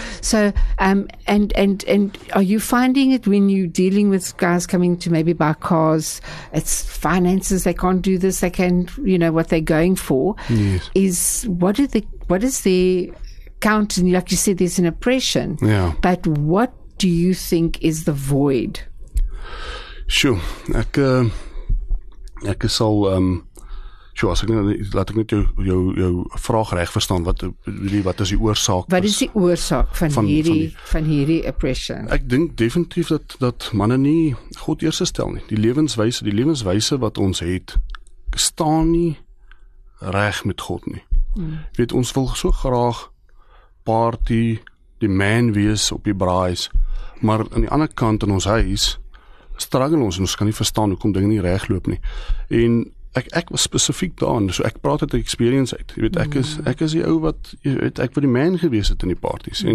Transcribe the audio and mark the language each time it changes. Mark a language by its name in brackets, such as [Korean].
[English] So, and are you finding it when you're dealing with guys coming to maybe buy cars, it's finances, they can't do this, they can, you know, what they're going for, what is the count, and like you said, there's an oppression. Yeah. But what do you think is the void? Sure. [Afrikaans] Ek sal sure, as ek laat ek net jou vraag reg verstaan, wat is die oorsaak? Wat is die oorsaak van hierdie oppression? Ek dink definitief dat manne nie God eers stel nie. Die lewenswyse wat ons het, staan nie reg met God nie. Weet, ons wil so graag party, die man wees op die braais, maar aan die ander kant in ons huis struggle ons en ons kan nie verstaan hoekom dinge nie reg loop nie. En ek was spesifiek daarin, so ek praat uit experience uit. Weet, ek is die ou wat, weet, ek wil die man gewees het in die parties.